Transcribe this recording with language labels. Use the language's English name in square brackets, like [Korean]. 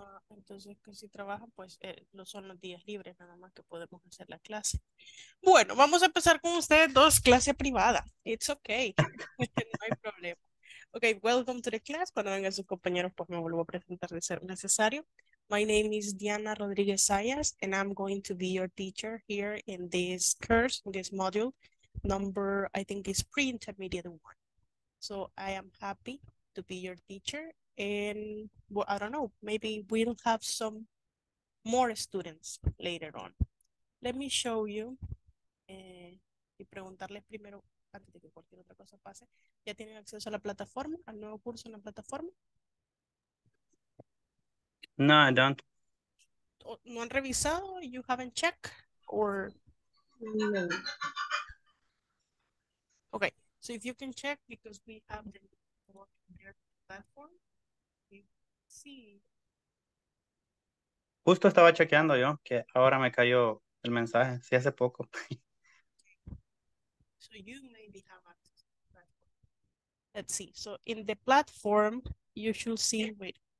[Spanish] Entonces, que si trabajan, pues no son los días libres nada más que podemos hacer la clase. Bueno, vamos a empezar con ustedes dos, clase privada. [English] It's okay. [Spanish] No hay problema. [English] Ok, welcome to the class. [Spanish] Cuando vengan sus compañeros, pues me vuelvo a presentar de ser necesario. [English] My name is Diana Rodríguez Sayas, and I'm going to be your teacher here in this course, in this module. Number, I think, is pre-intermediate one. So I am happy to be your teacher. And well, I don't know, maybe we'll have some more students later on. Let me show you. [Spanish] Y preguntarles primero, antes de que cualquier otra cosa pase, ¿ya tienen acceso a la plataforma, al nuevo curso en la plataforma? [English] No, I don't. [Spanish] ¿No han revisado? [English] You haven't checked? Or no. Okay, so if you can check, because we have the platform. [Spanish] Sí. Justo estaba chequeando yo que ahora me cayó el mensaje, sí, hace poco. [English] So you maybe have access to the platform. Let's see. So in the platform, you should see, wait.